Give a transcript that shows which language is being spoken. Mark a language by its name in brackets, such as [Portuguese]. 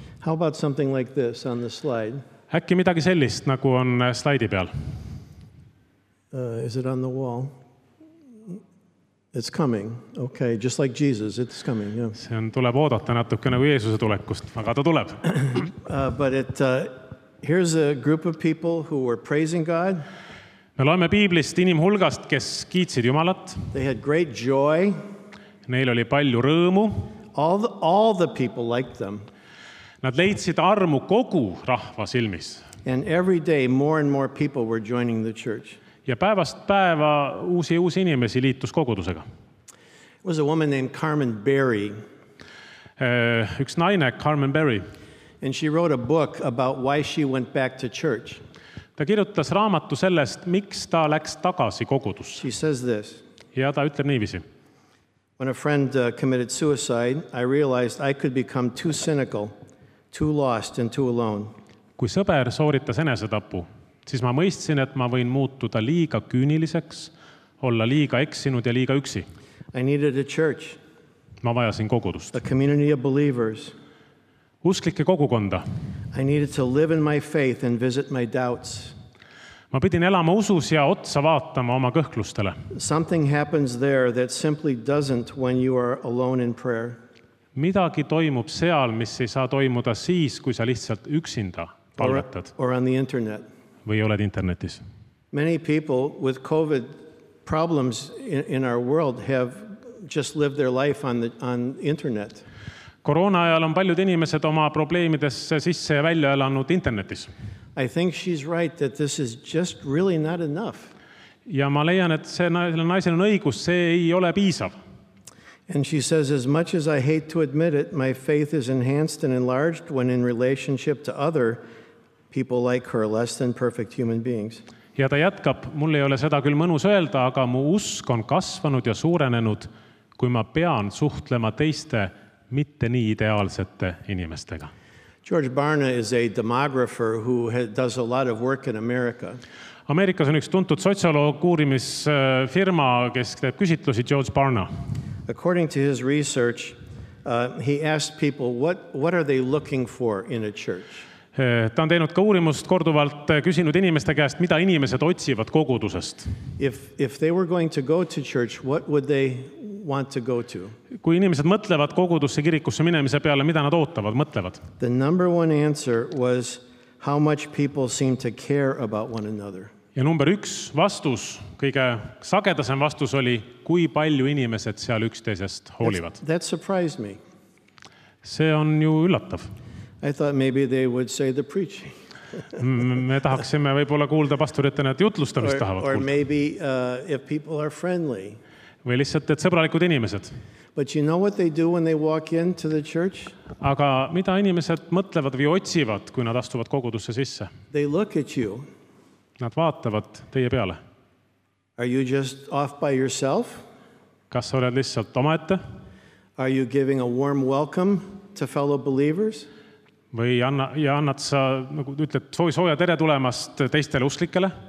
[English] How about something like this on the slide? [Estonian] Äkki midagi sellist, nagu on slaidi peal. [English] Is it on the wall? It's coming. Okay, just like Jesus, it's coming. Yeah. [Estonian] See on tuleb oodata natuke nagu Jeesuse tulekust, aga ta tuleb. [English] Here's a group of people who were praising God. [Estonian] Me loeme Piiblist inimhulgast, kes kiitsid Jumalat. [English] They had great joy. [Estonian] Neil oli palju rõõmu. [English] All the people liked them. [Estonian] Nad leidsid armu kogu rahva silmis. [English] And every day more and more people were joining the church. [Estonian] Ja päevast päeva uusi inimesi liitus kogudusega. [English] It was a woman named Carmen Berry. [Estonian] Üks naine, Carmen Berry. [English] And she wrote a book about why she went back to church. [Estonian] Ta kirjutas raamatu sellest, miks ta läks tagasi kogudusse. [English] She says this. [Estonian] Ja ta ütleb niivisi. [English] When a friend committed suicide, I realized I could become too cynical, too lost and too alone. [Estonian] Kui sõber sooritas enesetapu, siis ma mõistsin, et ma võin muutuda liiga küüniliseks, olla liiga eksinud ja liiga üksi. [English] I needed a church. [Estonian] Ma vajasin kogudust. [English] A community of believers. [Estonian] Usklike kogukonda. [English] I needed to live in my faith and visit my doubts. [Estonian] Ma pidin elama usus ja otsa vaatama oma kõhklustele. [English] Something happens there that simply doesn't when you are alone in prayer. [Estonian] Midagi toimub seal, mis ei saa toimuda siis, kui sa lihtsalt üksinda palvetad. [English] Or on the internet. [Estonian] Või oled internetis. [English] Many people with COVID problems in our world have just lived their life on internet. [Estonian] Korona ajal on paljud inimesed oma probleemidesse sisse ja välja elanud internetis. [English] I think she's right that this is just really not enough. [Estonian] Ja ma leian, et selle naisel on õigus, see ei ole piisav. [English] And she says, as much as I hate to admit it, my faith is enhanced and enlarged when in relationship to other people like her, less than perfect human beings. [Estonian] Ja ta jätkab, mul ei ole seda küll mõnus öelda, aga mu usk on kasvanud ja suurenenud, kui ma pean suhtlema teiste mitte nii ideaalsete inimestega. [English] George Barna is a demographer who does a lot of work in America. [Estonian] Ameerikas on üks tuntud sotsioloog uurimisfirma, kes teeb küsitlusi, George Barna. [English] According to his research, he asked people, what are they looking for in a church? [Estonian] Ta on teinud ka uurimust korduvalt küsinud inimeste käest, mida inimesed otsivad kogudusest. [English] If they were going to go to church, what would they want to go to? [Estonian] Kui inimesed mõtlevad kogudusse kirikusse minemise peale, mida nad ootavad, mõtlevad? [English] The number one answer was how much people seem to care about one another. [Estonian] Ja number üks vastus, kõige sagedasem vastus oli, kui palju inimesed seal üksteisest hoolivad. [English] That surprised me. [Estonian] See on ju üllatav. [English] I thought maybe they would say the preaching. [Estonian] Me tahaksime võib-olla kuulda pastoritena, et jutlustamist tahavad kuulda. [English] Or maybe if people are friendly. [Estonian] Või lihtsalt, et sõbralikud inimesed. [English] But you know what they do when they walk into the church? [Estonian] Aga mida inimesed mõtlevad või otsivad, kui nad astuvad kogudusse sisse? [English] They look at you. [Estonian] Nad vaatavad teie peale. [English] Are you just off by yourself? [Estonian] Kas sa oled lihtsalt oma ette? [English] Are you giving a warm welcome to fellow believers? [Estonian] Või annad sa, nagu ütled, sooja tere tulemast teistele usklikele?